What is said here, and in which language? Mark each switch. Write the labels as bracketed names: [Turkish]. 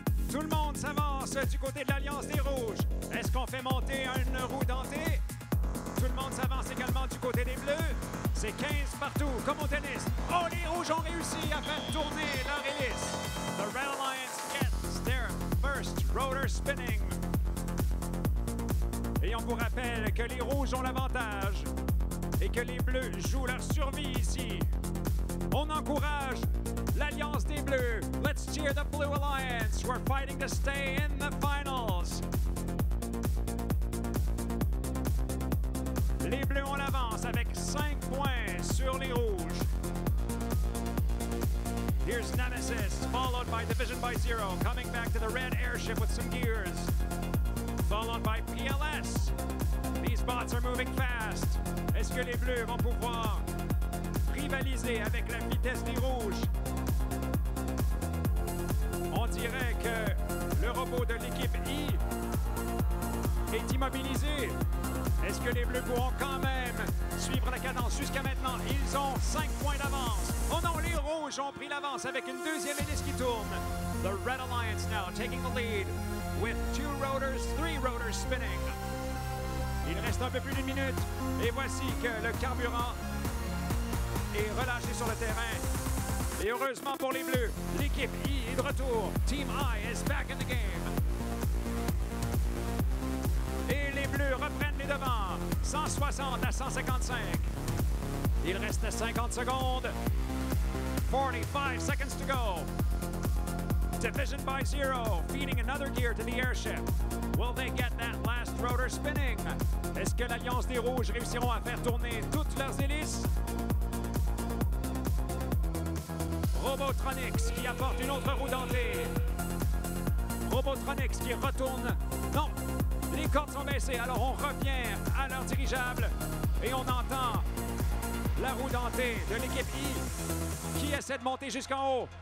[French] Tout le monde s'avance du côté de l'Alliance des Rouges. Est-ce qu'on fait monter une roue dentée? Tout le monde s'avance également du côté des Bleus. C'est 15 partout, comme au tennis. Oh, les Rouges ont réussi à faire tourner leur hélice. [English] The Red Alliance gets their first rotor spinning. [French] Et on vous rappelle que les Rouges ont l'avantage et que les Bleus jouent leur survie ici. On encourage l'Alliance des Bleus. [English] Let's cheer the Blue Alliance. We're fighting to stay in the finals. [French] Les Bleus ont l'avance avec 5 points sur les Rouges. [English] Here's Nemesis, followed by Division by Zero, coming back to the Red Airship with some gears. Followed by PLS. These bots are moving fast. [French] Est-ce que les Bleus vont pouvoir rivaliser avec la vitesse des Rouges? On dirait que le robot de l'équipe I est immobilisé. Est-ce que les Bleus pourront quand même suivre la cadence jusqu'à maintenant? Ils ont 5 points d'avance. Oh non, les Rouges ont pris l'avance avec une deuxième hélice qui tourne. [English] The Red Alliance now taking the lead with 2 rotors, 3 rotors spinning. [French] Il reste un peu plus d'une minute et voici que le carburant est relâché sur le terrain. Et heureusement pour les Bleus, l'équipe I est de retour. [English] Team I is back in the game. [French] Et les Bleus reprennent les devants. 160 à 155. Il reste 50 secondes. [English] 45 seconds to go. Division by Zero, feeding another gear to the airship. Will they get that last rotor spinning? [French] Est-ce que l'Alliance des Rouges réussiront à faire tourner toutes leurs hélices? Robotronics qui apporte une autre roue dentée. Robotronics qui retourne. Non! Les cordes sont baissées, alors on revient à leur dirigeable et on entend la roue dentée de l'équipe I qui essaie de monter jusqu'en haut.